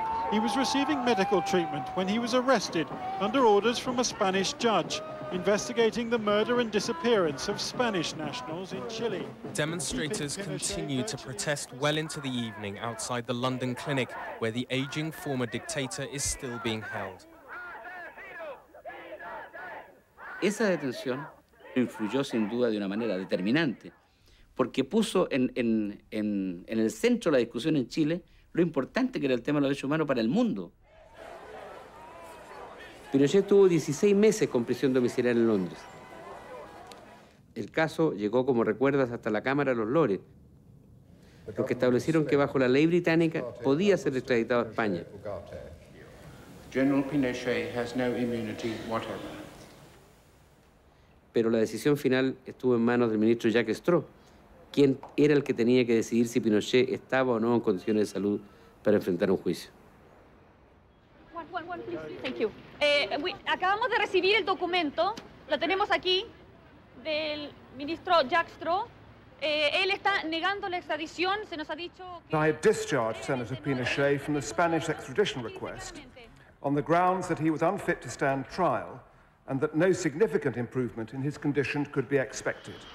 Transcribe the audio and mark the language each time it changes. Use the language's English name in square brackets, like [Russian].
[English] He was receiving medical treatment when he was arrested under orders from a Spanish judge investigating the murder and disappearance of Spanish nationals in Chile. Demonstrators continue to protest well into the evening outside the London clinic where the aging former dictator is still being held. [Spanish] Esa detención influyó sin duda de una manera determinante, porque puso en el centro de la discusión en Chile lo importante que era el tema de los derechos humanos para el mundo. Pinochet estuvo 16 meses con prisión domiciliaria en Londres. El caso llegó, como recuerdas, hasta la Cámara de los Lores, los que establecieron que bajo la ley británica podía ser extraditado a España. [English] General Pinochet has no immunity whatever. [Spanish] Pero la decisión final estuvo en manos del ministro Jacques Straw, quien era el que tenía que decidir si Pinochet estaba o no en condiciones de salud para enfrentar un juicio. Acabamos de recibir el documento, lo tenemos aquí, del ministro Jacques Straw. Él está negando la extradición, se nos ha dicho... [English] I have discharged Senator Pinochet from the Spanish extradition request on the grounds that he was unfit to stand trial and that no significant improvement in his condition could be expected.